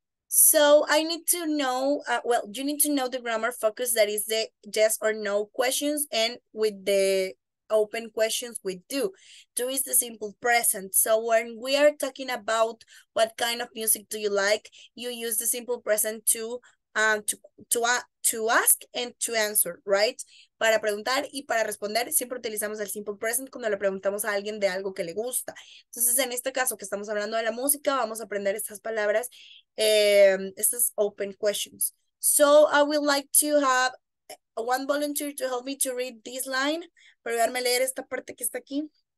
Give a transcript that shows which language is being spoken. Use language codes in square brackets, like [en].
[en] So I need to know, you need to know the grammar focus, that is the yes or no questions, and with the open questions with do. Do is the simple present. So when we are talking about what kind of music do you like, you use the simple present to ask and to answer, right? [es] Para preguntar y para responder, siempre utilizamos el simple present cuando le preguntamos a alguien de algo que le gusta. Entonces, en este caso que estamos hablando de la música, vamos a aprender estas palabras, estas open questions. [en] So, I would like to have one volunteer to help me to read this line. [es] Para ayudarme a leer esta parte que está aquí.